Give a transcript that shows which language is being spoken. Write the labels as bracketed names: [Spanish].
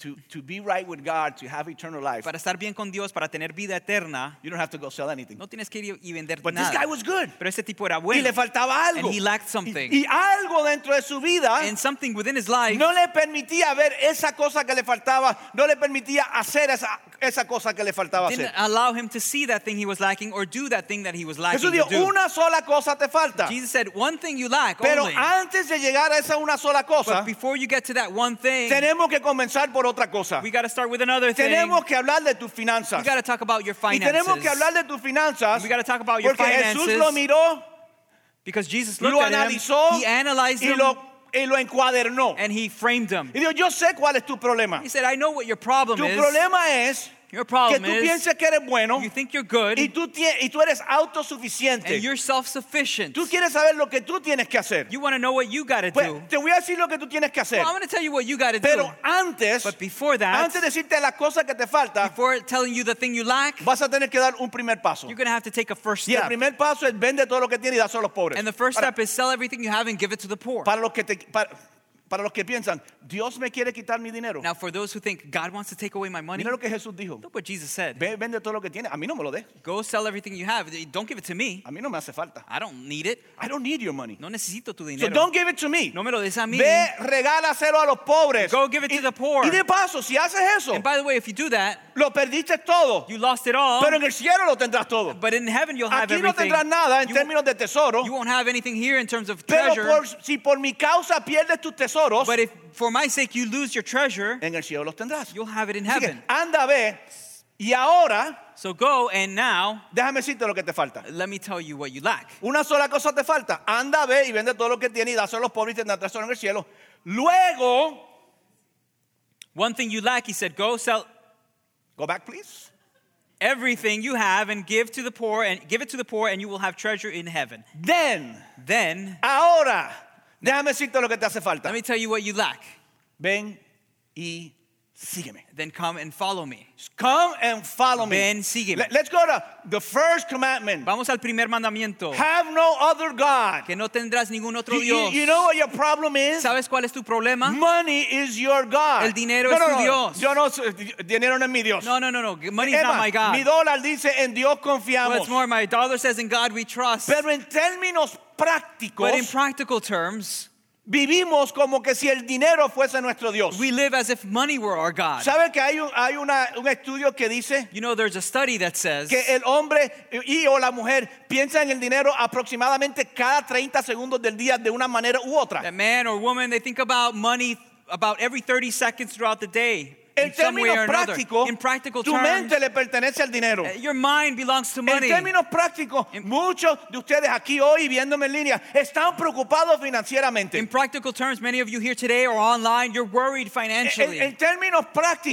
[English] To be right with God, to have eternal life. [Spanish] Para estar bien con Dios, para tener vida eterna. [English] You don't have to go sell anything. [Spanish] No tienes que ir y vender [English] but [Spanish] nada. [English] But this guy was good. [Spanish] Pero ese tipo era bueno. Y le faltaba algo. [English] And he lacked something. [Spanish] Y algo dentro de su vida. [English] And something within his life. [Spanish] No le permitía ver esa cosa que le faltaba. No le permitía hacer esa cosa que le faltaba [English] didn't [Spanish] hacer. [English] Didn't allow him to see that thing he was lacking or do that thing that he was lacking [Spanish] Jesús dijo, [English] to do. [Spanish] Una sola cosa te falta. [English] Jesus said, one thing you lack [Spanish] pero [English] only. [Spanish] Pero antes de llegar a esa una sola cosa. [English] But before you get to that one thing. [Spanish] Tenemos que comenzar por otra cosa. [English] We got to start with another thing. [Spanish] Tenemos que hablar de tus finanzas. [English] We got to talk about your finances. [Spanish] Y tenemos que hablar de tus finanzas. [English] We got to talk about your finances. [Spanish] Porque Jesús lo miró. [English] Because Jesus looked at him. [Spanish] Lo analizó. [English] He analyzed [Spanish] him. Y lo encuadernó. [English] And he framed him. [Spanish] Y dijo, yo sé cuál es tu problema. [English] He said, I know what your problem [Spanish] tu [English] is. [Spanish] Tu problema es. [English] Your problem [Spanish] que tú pienses [English] is, [Spanish] que eres bueno. [English] You think you're good. [Spanish] Y tú eres autosuficiente. [English] And you're self-sufficient. [Spanish] Tú quieres saber lo que tú tienes que hacer. [English] You want to know what you got to [Spanish] pues, [English] do. [Spanish] Te voy a decir lo que tú tienes que hacer. [English] Well, I'm going to tell you what you got to do. [Spanish] Pero antes. [English] But before that. [Spanish] Antes de decirte la cosa que te falta. [English] Before telling you the thing you lack. [Spanish] Vas a tener que dar un primer paso. [English] You're going to have to take a first step. [Spanish] Y el primer paso es vende todo lo que tienes y dáselo a los pobres. [English] And the first step is sell everything you have and give it to the poor. [Spanish] Para los que piensan, Dios me quiere quitar mi dinero. [English] Now for those who think, God wants to take away my money. [Spanish] Mira lo que Jesús dijo. [English] Look what Jesus said. [Spanish] Vende todo lo que tiene. A mí no me lo de. [English] Go sell everything you have. Don't give it to me. [Spanish] A mí no me hace falta. [English] I don't need it. I don't need your money. [Spanish] No necesito tu dinero. [English] So don't give it to me. [Spanish] No me lo des a mí. Ve, regálaselo a los pobres. [English] Go give it to the poor. [Spanish] Y de paso, si haces eso. [English] And by the way, if you do that. [Spanish] Lo perdiste todo. [English] You lost it all. [Spanish] Pero en el cielo lo tendrás todo. [English] But in heaven you'll have everything. [Spanish] Aquí no tendrás nada en términos de tesoro. [English] You won't have anything here in terms of treasure. [Spanish] Pero si por mi causa pierdes tu tesoro. [English] But if for my sake you lose your treasure, [Spanish] en el cielo los tendrás. [English] You'll have it in heaven. [Spanish] Sigue, anda, ve, y ahora, [English] so go and now, [Spanish] déjame decirte lo que te falta. [English] Let me tell you what you lack. [Spanish] Una sola cosa te falta. Anda, ve, y vende todo lo que tienes y dáselo a los pobres y tendrás tesoro en el cielo. Luego, [English] one thing you lack, he said, go sell. Go back, please. Everything you have and give to the poor and give it to the poor and you will have treasure in heaven. Then, then, [Spanish] ahora. Déjame decirte lo que te hace falta. [English] Let me tell you what you lack. [Spanish] Ven y sígueme. [English] Then come and follow me. Come and follow me. [Spanish] Ven, sígueme. [English] Let's go to the first commandment. [Spanish] Vamos al primer mandamiento. [English] Have no other God. [Spanish] Que no tendrás ningún otro Dios. [English] You know what your problem is? [Spanish] ¿Sabes cuál es tu problema? [English] Money is your God. [Spanish] El dinero es tu Dios. Yo no, dinero no es mi Dios. [English] No. Money is not my God. [Spanish] Mi dólar dice en Dios confiamos. [English] What's more, my dollar says in God we trust. [Spanish] Pero en términos prácticos. [English] But in practical terms. [Spanish] Vivimos como que si el dinero fuese nuestro Dios. [English] We live as if money were our God. [Spanish] ¿Sabe que hay un estudio que dice? [English] You know, there's a study that says [Spanish] que el hombre y o la mujer piensa en el dinero aproximadamente cada 30 segundos del día de una manera u otra. [English] That man or woman, they think about money about every 30 seconds throughout the day. [Spanish] En términos prácticos, tu mente le pertenece al dinero. [English] Your mind belongs to money. [Spanish] En términos prácticos, muchos de ustedes aquí hoy viéndome en línea están preocupados financieramente. [English] In practical terms, many of you here today or online, you're worried financially. [Spanish] En términos prácticos,